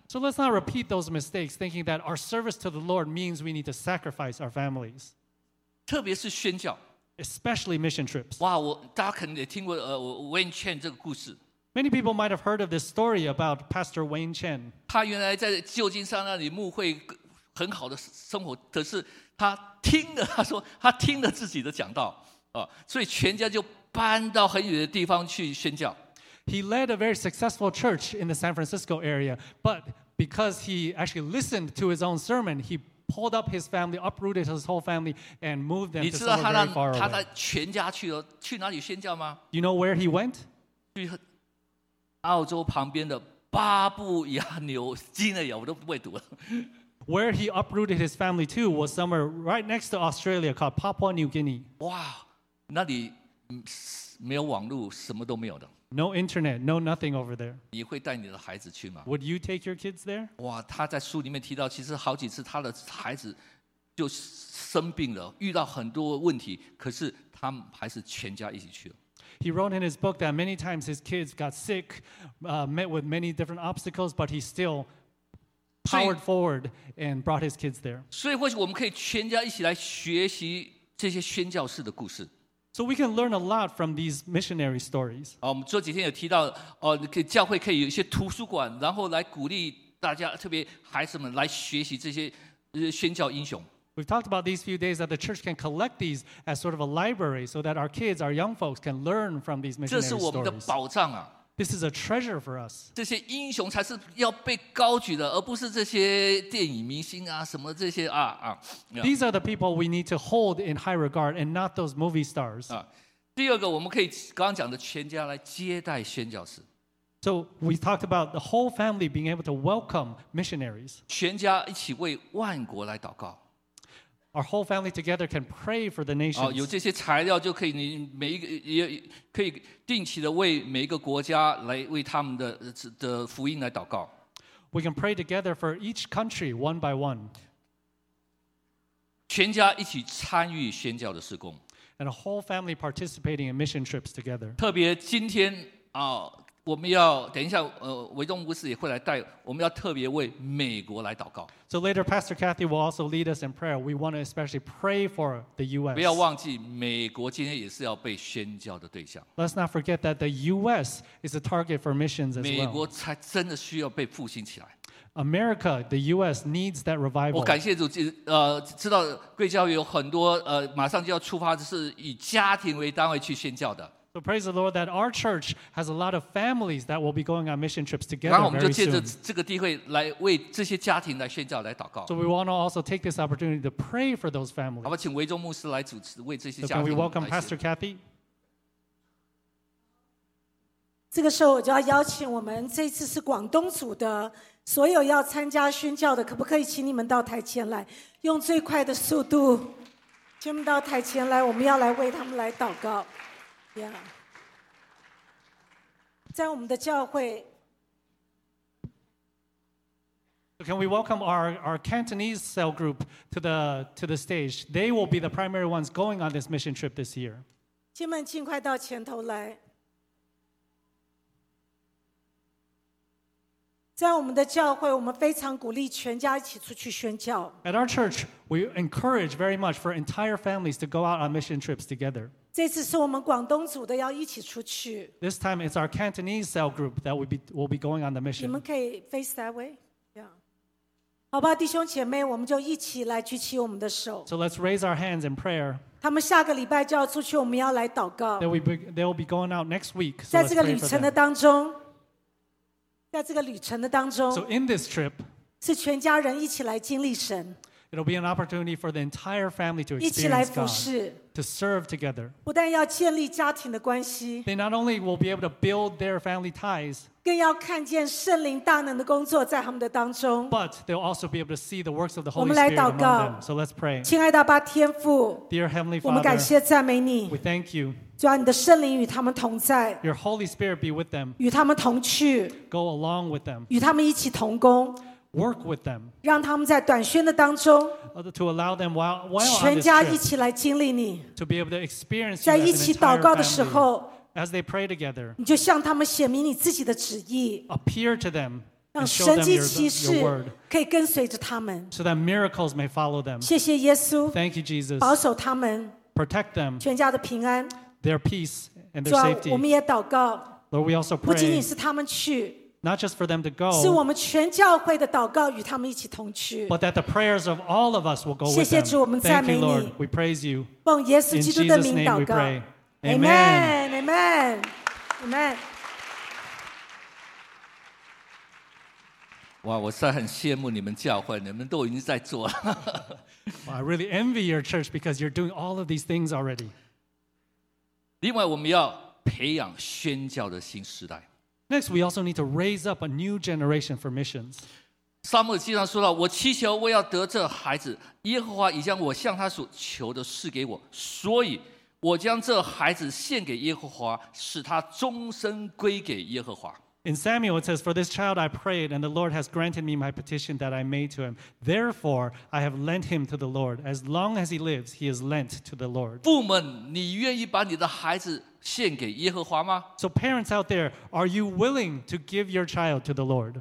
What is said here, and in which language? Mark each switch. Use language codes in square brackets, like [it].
[en] So let's not repeat those mistakes, thinking that our service to the Lord means we need to sacrifice our families. [zh] 特别是宣教。 [en] Especially mission trips. [zh] 哇，大家可能也听过Wayne Chen 这个故事。 [en] Many people might have heard of this story about Pastor Wayne Chen. [zh] 他原来在旧金山那里牧会很好的生活，可是他听了自己的讲道，所以全家就搬到很远的地方去宣教。 [en] He led a very successful church in the San Francisco area, but because he actually listened to his own sermon, he pulled up his family, uprooted his whole family, and moved them to somewhere very far away. [zh] 你知道他带全家去哪里宣教吗？ [en] You know where he went? [zh] 澳洲旁边的巴布亚纽几内亚，我都不会读了。 [en] Where he uprooted his family to was somewhere right next to Australia called Papua New Guinea. [zh] 哇，那里没有网络，什么都没有的。 [en] No internet, no nothing over there. [zh] 你会带你的孩子去吗 [en] ？Would you take your kids there? [zh] 哇，他在书里面提到，其实好几次他的孩子就生病了，遇到很多问题，可是他们还是全家一起去了。 [en] He wrote in his book that many times his kids got sick, met with many different obstacles, but he still powered forward and brought his kids there. [zh] 所以或许我们可以全家一起来学习这些宣教士的故事。 [en] So we can learn a lot from these missionary stories. [zh] 我们这几天有提到，教会可以有一些图书馆，然后来鼓励大家，特别孩子们来学习这些宣教英雄。 [en] We've talked about these few days that the church can collect these as sort of a library so that our kids, our young folks, can learn from these missionary stories. [zh] 这是我们的宝藏啊。 [en] This is a treasure for us. [zh] 这些英雄才是要被高举的，而不是这些电影明星啊，什么这些啊。 [en] These are the people we need to hold in high regard and not those movie stars. [zh] 第二个，我们可以刚刚讲的全家来接待宣教士。 [en] So we talked about the whole family being able to welcome missionaries. [zh] 全家一起为万国来祷告。 [en] Our whole family together can pray for the nations. [zh] 有这些材料就可以，你每一个也可以定期的为每一个国家来为他们的福音来祷告。 [en] We can pray together for each country one by one. [zh] 全家一起参与宣教的事工。 [en] And a whole family participating in mission trips together. [zh] 特别今天我们要等一下，维东牧师也会来带。我们要特别为美国来祷告。 [en] So later, Pastor Kathy will also lead us in prayer. We want to especially pray for the U.S. [zh] 不要忘记，美国今天也是要被宣教的对象。 [en] Let's not forget that the U.S. is a target for missions as well. [zh] 美国才真的需要被复兴起来。 [en] America, the U.S. needs that revival. [zh] 我感谢主，知道贵教会有很多马上就要出发，是以家庭为单位去宣教的。 [en] So praise the Lord that our church has a lot of families that will be going on mission trips together very soon. [zh] 然后我们就借着这个机会来为这些家庭来宣教来祷告。 [en] So we want to also take this opportunity to pray for those families. [zh] 好吧，请维中牧师来主持为这些家庭来宣教。 [en] So can we welcome Pastor Kathy? [zh] 这个时候我就要邀请我们这次是广东组的所有要参加宣教的，可不可以请你们到台前来，用最快的速度，请你们到台前来，我们要来为他们来祷告。 [en] Yeah. [zh] 在我们的教会 [en] Can we welcome our Cantonese cell group to the stage? They will be the primary ones going on this mission trip this year. [zh] 请们尽快到前头来。在我们的教会，我们非常鼓励全家一起出去宣教。 [en] At our church, we encourage very much for entire families to go out on mission trips together. [zh] 这次是我们广东组的要一起出去。 [en] This time it's our Cantonese cell group that will be going on the mission. [zh] 你们可以 [en] face that way. Yeah. [zh] 好吧，弟兄姐妹，我们就一起来举起我们的手。 [en] So let's raise our hands in prayer. [zh] 他们下个礼拜就要出去，我们要来祷告。 [en] They will be going out next week. [zh] 在这个旅程的当中，在这个旅程的当中。 [en] So in this trip, [zh] 是全家人一起来经历神。 [en] It'll be an opportunity for the entire family to experience God, to serve together. [zh] 不但要建立家庭的关系， [en] they not only will be able to build their family ties, [zh] 更要看见圣灵大能的工作在他们的当中。 [en] But they'll also be able to see the works of the Holy Spirit among them. So let's pray. [zh] 亲爱的阿爸天父， [en] Dear Heavenly Father, [zh] 我们感谢赞美你。 [en] We thank you. [zh] 主啊，你的圣灵与他们同在。 [en] Your Holy Spirit be with them. [zh] 与他们同去。 [en] Go along with them. [zh] 与他们一起同工。 [en] Work with them. [zh] 让他们在短宣的当中， [en] to allow them while on this [zh] trip, 全家一起来经历你， [en] to be able to experience you as an entire family. [zh] 在一起祷告的时候， [en] as they pray together, [zh] 你就向他们显明你自己的旨意， [en] appear to them, [zh] 让神迹奇事可以跟随着他们， [en] so that miracles may follow them. [zh] 谢谢耶稣， [en] thank you Jesus, [zh] 保守他们， [en] protect them, [zh] 全家的平安， [en] their peace and their safety. [zh] 我们也祷告， [en] Lord, we also pray, [zh] 不仅仅是他们去。 [en] Not just for them to go, [zh] 是我们全教会的祷告与他们一起同去。 [en] But that the prayers of all of us will go with them. [zh] 谢谢主，我们赞美你。 [en] Thank you, Lord. We praise you. [zh] 奉耶稣基督的名祷告。 [en] In Jesus' name we pray. Amen. Amen. Amen. [zh] 哇，我是很羡慕你们教会，你们都已经在做。 [en] I really envy your church because you're doing all of these things already. [zh] 另外，我们要培养宣教的新时代。 [en] Next, we also need to raise up a new generation for missions. [zh] 撒母耳记上说到，我祈求我要得这孩子，耶和华已将我向他所求的赐给我，所以我将这孩子献给耶和华，使他终身归给耶和华。 [en] In Samuel, it says, For this child I prayed, and the Lord has granted me my petition that I made to him. Therefore, I have lent him to the Lord. As long as he lives, he is lent to the Lord. [zh] 父们，你愿意把你的孩子献给耶和华吗？ [en] So parents out there, are you willing to give your child to the Lord?